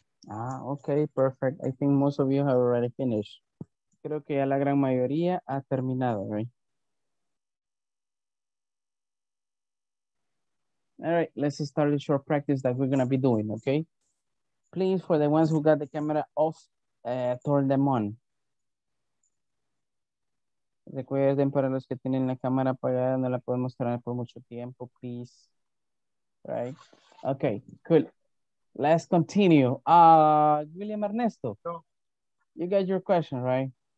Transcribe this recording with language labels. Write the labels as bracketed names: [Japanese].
[English] Ah, okay, perfect. I think most of you have already finished. [Spanish] Creo que ya la gran mayoría ha terminado, right? [English] All right, let's start the short practice that we're gonna be doing, okay? Please, for the ones who got the camera off, turn them on. [Spanish] Recuerden, para los que tienen la cámara apagada, no la podemos tener por mucho tiempo, please. [English] Right? Okay, cool. Let's continue. William Ernesto, you got your question, right?